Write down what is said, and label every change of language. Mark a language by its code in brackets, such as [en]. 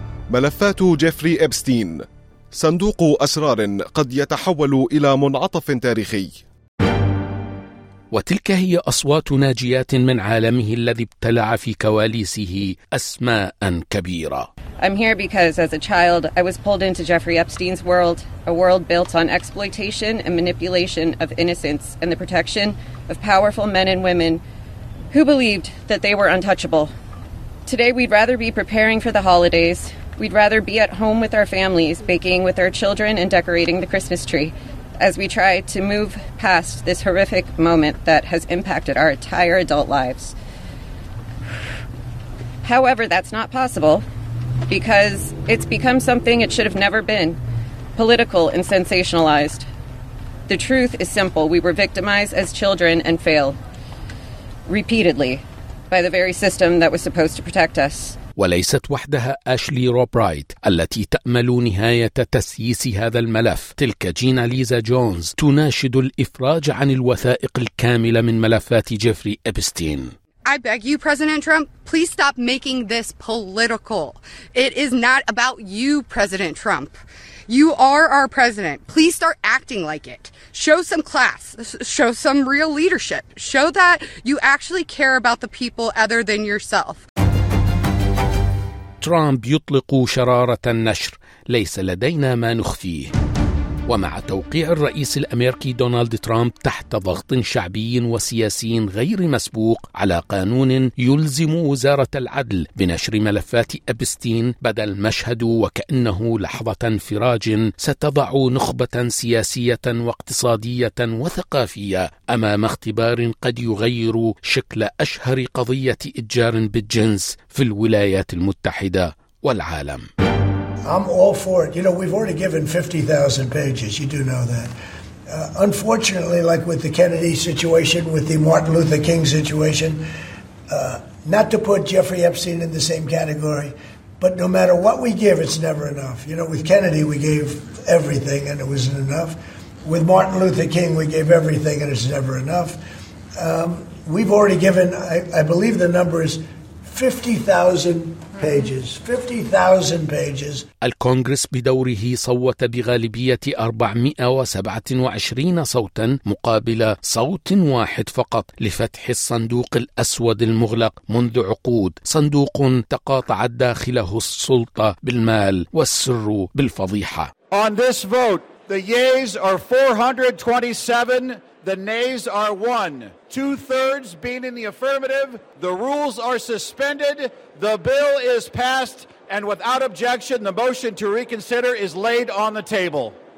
[ar] ملفات جيفري إبستين، صندوق أسرار قد يتحول إلى منعطف تاريخي. وتلك هي أصوات ناجيات من عالمه الذي ابتلع في كواليسه أسماء كبيرة. [en] I'm here because as a child I was pulled into Jeffrey Epstein's world, a world built on exploitation and manipulation of innocence and the protection of powerful men and women who believed that they were untouchable. Today we'd rather be preparing for the holidays. We'd rather be at home with our families, baking with our children and decorating the Christmas tree, as we try to move past this horrific moment that has impacted our entire adult lives. However, that's not possible because it's become something it should have never been, political and sensationalized. The truth is simple. We were victimized as children and failed repeatedly by the very system that was supposed to protect us. [ar] وليست وحدها أشلي روبرايت التي تأمل نهاية تسييس هذا الملف. تلك جينا ليزا جونز تناشد الإفراج عن الوثائق الكاملة من ملفات جيفري إبستين. [en] I beg you, President Trump, please stop making this political. It is not about you, President Trump. You are our president. Please start acting like it. Show some class. Show some real leadership. Show that you actually care about the people other than yourself. [ar] ترامب يطلق شرارة النشر، ليس لدينا ما نخفيه. ومع توقيع الرئيس الأمريكي دونالد ترامب تحت ضغط شعبي وسياسي غير مسبوق على قانون يلزم وزارة العدل بنشر ملفات أبستين، بدا المشهد وكأنه لحظة انفراج ستضع نخبة سياسية واقتصادية وثقافية أمام اختبار قد يغير شكل أشهر قضية إتجار بالجنس في الولايات المتحدة والعالم. [en] I'm all for it. You know, we've already given 50,000 pages. You do know that. Unfortunately, like with the Kennedy situation, with the Martin Luther King situation, not to put Jeffrey Epstein in the same category, but no matter what we give, it's never enough. You know, with Kennedy, we gave everything and it wasn't enough. With Martin Luther King, we gave everything and it's never enough. We've already given, I believe the number is 50,000 pages. 50,000 pages. [ar] الكونغرس بدوره صوت بغالبية 427 صوتا مقابل صوت واحد فقط لفتح الصندوق الأسود المغلق منذ عقود، صندوق تقاطعت داخله السلطة بالمال والسر بالفضيحة. [en] On this vote, the yeas are 427, the nays are 1. Two-thirds being in the affirmative, the rules are suspended, the bill is passed, and without objection, the motion to reconsider is laid on the table.